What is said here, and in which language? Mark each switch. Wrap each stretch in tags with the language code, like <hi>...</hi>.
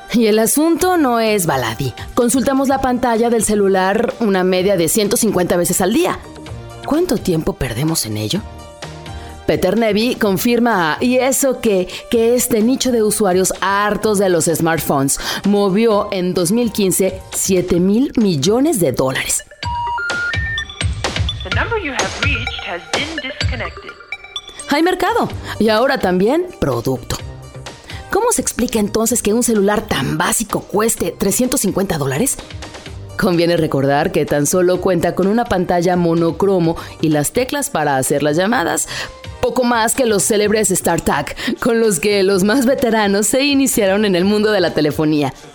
<es>Y el asunto no es baladí. Consultamos la pantalla del celular una media de 150 veces al día. ¿Cuánto tiempo perdemos en ello? Peter Nevi confirma, y eso que este nicho de usuarios hartos de los smartphones movió en 2015 $7,000 millones.</es> <en>The number you have reached has been disconnected.</en> <es>Hay mercado, y ahora también producto. ¿Cómo se explica entonces que un celular tan básico cueste $350? Conviene recordar que tan solo cuenta con una pantalla monocromo y las teclas para hacer las llamadas, poco más que los célebres StarTAC, con los que los más veteranos se iniciaron en el mundo de la telefonía.</es>